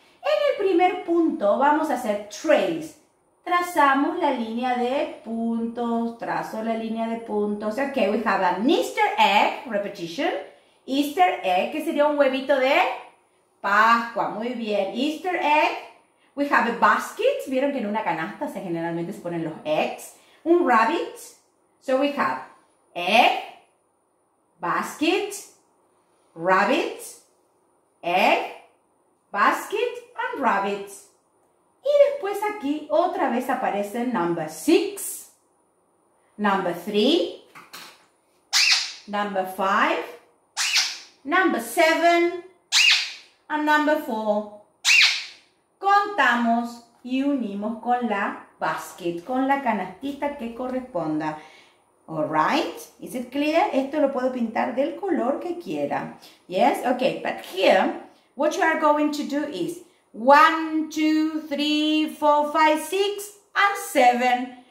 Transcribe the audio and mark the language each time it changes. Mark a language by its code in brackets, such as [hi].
[es] En el primer punto vamos a hacer trace. Trazamos la línea de puntos, trazo la línea de puntos. [en] Ok, we have an Easter egg, repetition. Easter egg, [es] que sería un huevito de Pascua. Muy bien, [en] Easter egg. We have a basket. [es] ¿Vieron que en una canasta se generalmente se ponen los eggs? Un rabbit. [en] So we have egg, basket, rabbit, egg, basket, and rabbit. [es] Y después aquí otra vez aparecen [en] number six, number three, number five, number seven, and number four. [es] Contamos y unimos con la basket, con la canastita que corresponda. [en] All right? Is it clear? [es] Esto lo puedo pintar del color que quiera. [en] Yes? Okay, but here, what you are going to do is 1, 2, 3, 4, 5, 6, and 7.